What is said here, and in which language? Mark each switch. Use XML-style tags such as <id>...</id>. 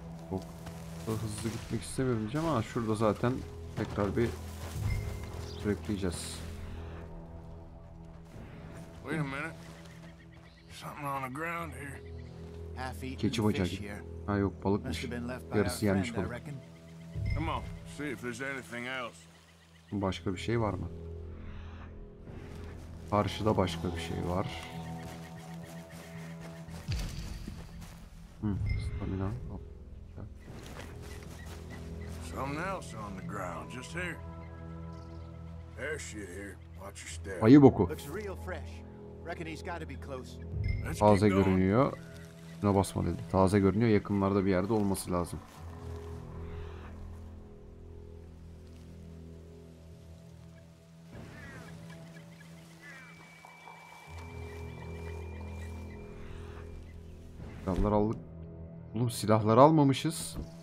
<tr>Çok da hızlı gitmek istemiyorum ama şurada zaten tekrar bir bekleyeceğiz.</tr> <en>Wait a minute. Something on the ground here.</en> <tr>Keçi bacak. Ha yok, balıkmış. Yarısı yenmiş balık.</tr> <en>Come on, see if there's anything else.</en> <tr>Başka bir şey var mı? Karşıda başka bir şey var.</tr> <en>Stamina. So Something else on the ground, just here. There's shit here. Watch your step.</en> <tr>Ayı boku.</tr> <en>Looks real fresh. Reckon he's got to be close.</en> <tr>Taze görünüyor. Ne basma dedi. Taze görünüyor. Yakınlarda bir yerde olması lazım. Silahlar aldık. Oğlum silahları almamışız.</tr>